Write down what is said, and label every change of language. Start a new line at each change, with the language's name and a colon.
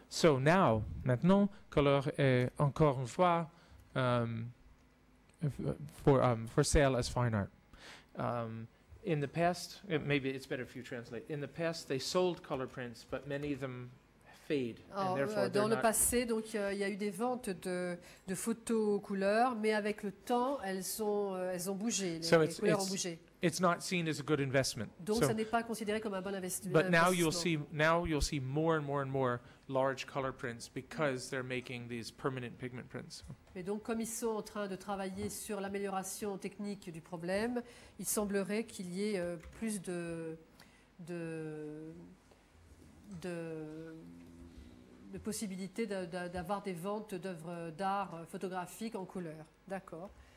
English: So now,
French: maintenant, couleur est encore une fois
English: for sale as fine art. In the past, maybe it's better if you translate. In the past, they sold color prints, but many of them fade.
French: Dans le passé, donc il y a eu des ventes de photos couleur, mais avec le temps, elles ont bougé. Les couleurs ont bougé.
English: It's not seen as a good investment.
French: Donc, ça n'est pas considéré comme un bon investissement.
English: But now you'll see more and more and more large color prints because they're making these permanent pigment prints.
French: Mais donc, comme ils sont en train de travailler sur l'amélioration technique du problème, il semblerait qu'il y ait plus de possibilités d'avoir des ventes d'œuvres d'art photographiques en couleur. D'accord.